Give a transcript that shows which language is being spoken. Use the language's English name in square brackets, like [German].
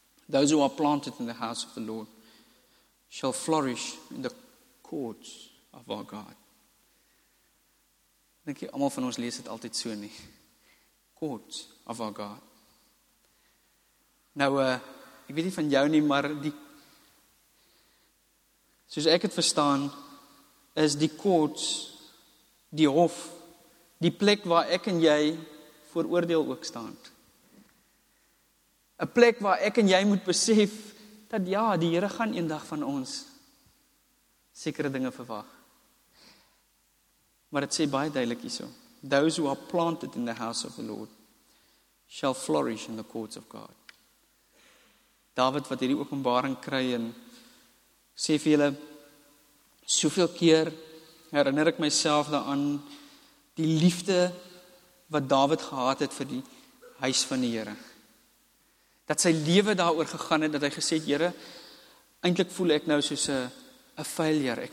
[English] Those who are planted in the house of the Lord shall flourish in the courts of our God. [Afrikaans] Ek dink jy, allemaal van ons lees het altyd so nie. [English] Courts of our God. [Afrikaans] Nou, ek weet nie van jou nie, maar die, soos ek het verstaan, is die courts, die hof, die plek waar ek en jy voor oordeel ook staan. Een plek waar ek en jy moet besef, dat ja, die Here gaan eendag van ons sekere dinge verwag. Maar het sê baie duidelik hierso. [English] Those who are planted in the house of the Lord shall flourish in the courts of God. [Afrikaans] David wat hierdie openbaring kry en sê vir julle, soveel keer herinner ek myself daaraan die liefde wat David gehad het vir die huis van die Here. Dat sy lewe daaroor gegaan het, dat hy gesê het, Here, eintlik voel ek nou soos 'n failure.